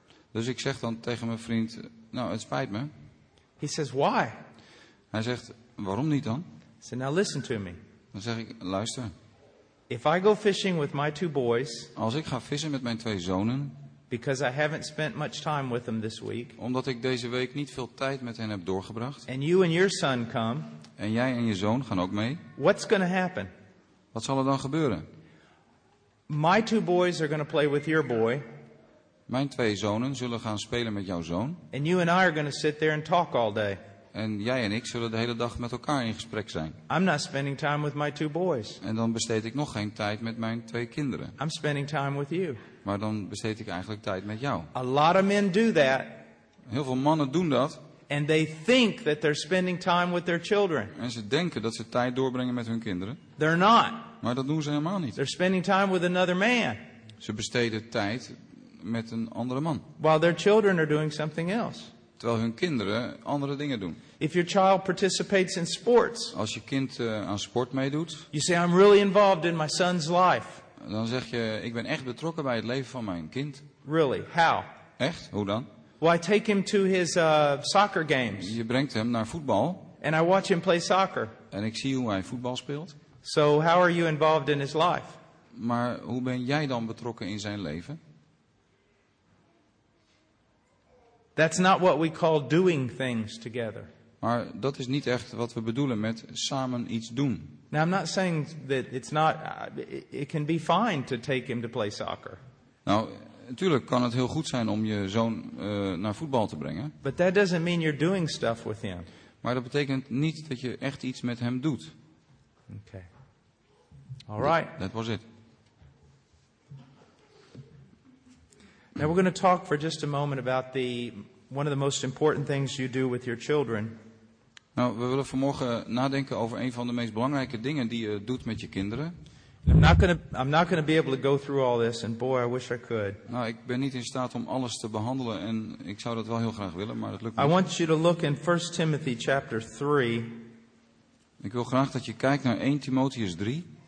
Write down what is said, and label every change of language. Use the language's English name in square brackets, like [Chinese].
[Dutch] Dus ik zeg dan tegen mijn vriend, "Nou, het spijt me." [English] He says, "Why?" [Dutch] Hij zegt, "Waarom niet dan?" [English] I say, "Now listen to me." [Dutch] Dan zeg ik, "Luister. [English] If I go fishing with my two boys, [Dutch] als ik ga vissen met mijn twee zonen, [English] because I haven't spent much time with them this week, [Dutch] omdat ik deze week niet veel tijd met hen heb doorgebracht, [English] and you and your son come, [Dutch] en jij en je zoon gaan ook mee, [English] what's going to happen? [Dutch] Wat zal er dan gebeuren? [English] My two boys are going to play with your boy. [Dutch] Mijn twee zonen zullen gaan spelen met jouw zoon. [English] And you and I are going to sit there and talk all day. [Dutch] En jij en ik zullen de hele dag met elkaar in gesprek zijn. [English] I'm not spending time with my two boys. [Dutch] En dan besteed ik nog geen tijd met mijn twee kinderen. [English] I'm spending time with you. [Dutch] Maar dan besteed ik eigenlijk tijd met jou. [English] A lot of men do that. [Dutch] Heel veel mannen doen dat. [English] And they think that they're spending time with their children. [Dutch] En ze denken dat ze tijd doorbrengen met hun kinderen. [English] They're not. [Dutch] Maar dat doen ze helemaal niet. [English] They're spending time with another man. [Dutch] Ze besteden tijd met een andere man. [English] While their children are doing something else. [Dutch] Terwijl hun kinderen andere dingen doen. [English] If your child participates in sports. [Dutch] Als je kind aan sport meedoet. [English] You say, "I'm really involved in my son's life." [Dutch] Dan zeg je, ik ben echt betrokken bij het leven van mijn kind. [English] Really? How? [Dutch] Echt? Hoe dan? [English] Well, I take him to his soccer games. [Dutch] Je brengt hem naar voetbal. [English] And I watch him play soccer. [Dutch] En ik zie hoe hij voetbal speelt. [English] So how are you involved in his life? [Dutch] Maar hoe ben jij dan betrokken in zijn leven? [English] That's not what we call doing things together. [Dutch] Maar dat is niet echt wat we bedoelen met samen iets doen. [English] Now I'm not saying that it's not it can be fine to take him to play soccer. [Dutch] Nou, natuurlijk kan het heel goed zijn om je zoon naar voetbal te brengen. [English] But that doesn't mean you're doing stuff with him. [Dutch] Maar dat betekent niet dat je echt iets met hem doet. [English] Okay. All right. That was it. Now we're going to talk for just a moment about the one of the most important things you do with your children. [Dutch] Nou, we willen vanmorgen nadenken over een van de meest belangrijke dingen die je doet met je kinderen. [English] I'm not gonna be able to go through all this, and boy, I wish I could. [Dutch] Nou, ik ben niet in staat om alles te behandelen, en ik zou dat wel heel graag willen, maar dat lukt niet. [English] I want you to look in 1 Timothy chapter 3. [Dutch] Ik wil graag dat je kijkt naar 1 Timotheus 3.